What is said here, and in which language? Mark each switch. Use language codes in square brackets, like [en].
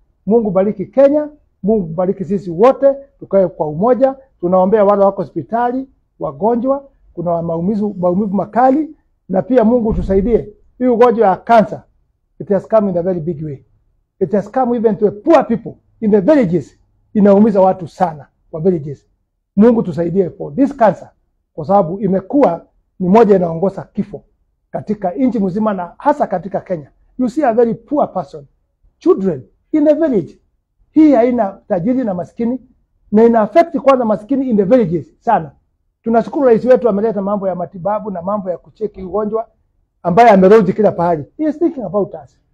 [sw] Mungu bariki Kenya, Mungu bariki sisi wote, tukae kwa umoja, tunaombea wale wako hospitali, wagonjwa, kuna maumivu makali, na pia Mungu tusaidie. Hii ugonjwa ya cancer, [en] it has come in a very big way. It has come even to a poor people in the villages, [sw] inaumiza watu sana kwa villages. Mungu tusaidie [en] for this cancer. [sw] Kwa sababu imekuwa ni moja inaongoza kifo katika nchi mzima na hasa katika Kenya. [en] You see a very poor person. Children in the village. [sw] Hii haina tajiri na maskini. Na ina affect kwa na maskini [en] in the villages [sw] sana. Tunashukuru rais wetu ameleta mambo ya matibabu na mambo ya kucheki ugonjwa ambaye amerudi kila pahali. [en] He is thinking about us.